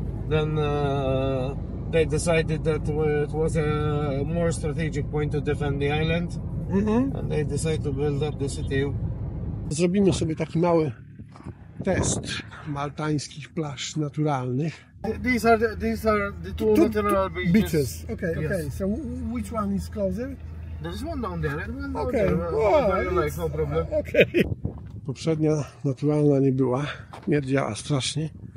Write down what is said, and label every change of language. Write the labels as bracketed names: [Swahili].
[English] Then they decided that it was a more strategic point to defend the island. And they decided to build up the city. [Polish] Zrobimy sobie taki mały test maltańskich plaż naturalnych. [English] These are the two natural beaches. Okay. Yes. So which one is closer? There's one down there. No problem. Okay. [Polish] Poprzednia naturalna nie była. Mierdziała strasznie.